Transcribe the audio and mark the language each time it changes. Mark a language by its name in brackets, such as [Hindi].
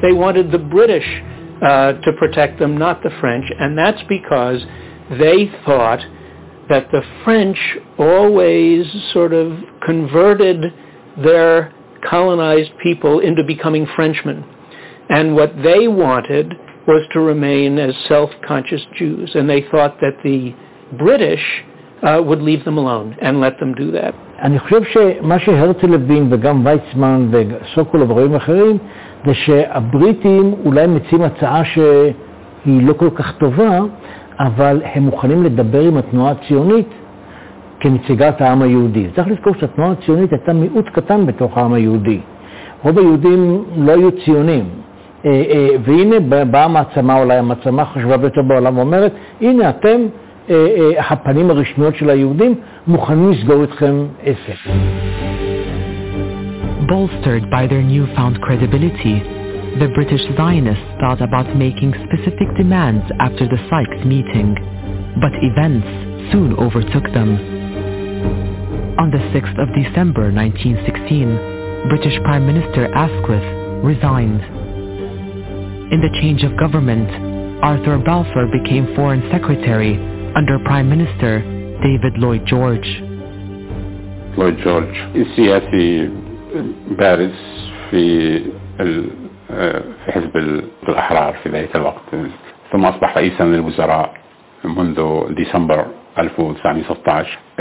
[English] They wanted the British to protect them, not the French, and that's because they thought that the French always sort of converted their colonized people into becoming Frenchmen. And what they wanted was to remain as self-conscious Jews, and they thought that the British would leave them alone and let them do that. [Hebrew] אני חושב שמה שהרצל לוין וגם ויצמן וסוקולוב ורואים אחרים זה שהבריטים אולי מציעים הצעה שהיא לא כל כך טובה, אבל הם מוכנים לדבר עם התנועה הציונית כנציגת העם היהודי. צריך לזכור שהתנועה הציונית הייתה מיעוט קטן בתוך העם היהודי. רוב היהודים לא היו ציונים. והנה באה המעצמה, אולי המעצמה חשובה ביותר בעולם, ואומרת, הנה אתם, הפנים הרשמיות של היהודים, מוכנים לסגור אתכם עסק. [English] Bolstered by their newfound credibility, the British Zionists thought about making specific demands after the Sykes meeting, but events soon overtook them. On the 6th of December 1916, British Prime Minister Asquith resigned. In the change of government, Arthur Balfour became Foreign Secretary under Prime Minister David Lloyd George. [Arabic] Lloyd George is سياسي بارز في ال في حزب الأحرار في ذلك الوقت. ثم أصبح رئيسا للوزراء منذ ديسمبر 1916.